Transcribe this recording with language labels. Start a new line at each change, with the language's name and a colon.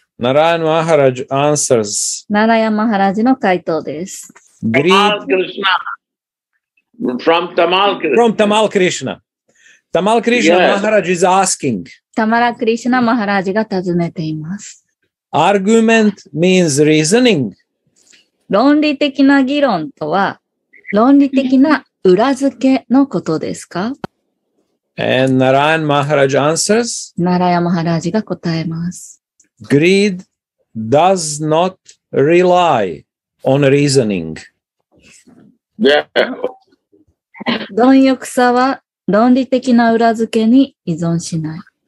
English: Narayan Maharaj answers.
Japanese: Narayan Maharaj の回答です。
English: Tamal Krishna. From Tamal Krishna. Tamal Krishna Maharaj is asking.
Japanese: Tamala Krishna Maharaj が尋ねています。
English: Argument means reasoning.
Japanese: 論理的な議論とは、論理的な裏付けのことですか？
English: And Narayan Maharaj answers.
Japanese: Narayan Maharaj が答えます。
English: Greed does not rely on reasoning. Yeah.
Japanese: 貪欲さは、論理的な裏付けに依存しない。